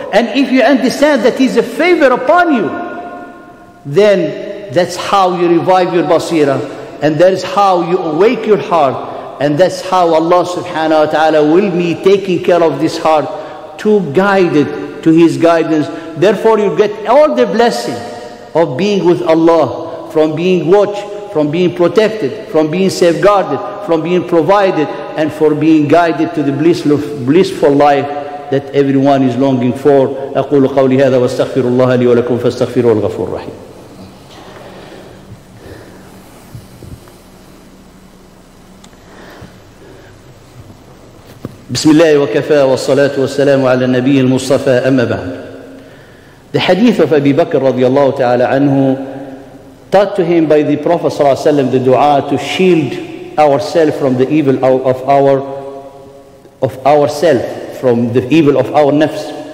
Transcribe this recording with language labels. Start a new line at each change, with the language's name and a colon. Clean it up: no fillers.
English: And if you understand that he's a favor upon you, then that's how you revive your basira, and that is how you awake your heart, and that's how Allah subhanahu wa ta'ala will be taking care of this heart to guide it to his guidance. Therefore you get all the blessing of being with Allah, from being watched, from being protected, from being safeguarded, from being provided, and for being guided to the blissful life that everyone is longing for.
Arabic: أقول قولي هذا واستغفر الله لي ولكم فاستغفروا الغفور الرحيم. بسم الله وكفى والصلاة والسلام على النبي المصطفى. أما بعد,
English: the hadith of Abi Bakr رضي الله تعالى عنه, taught to him by the Prophet صلى الله عليه وسلم the dua to shield ourselves from the evil of ourself, from the evil of our nafs.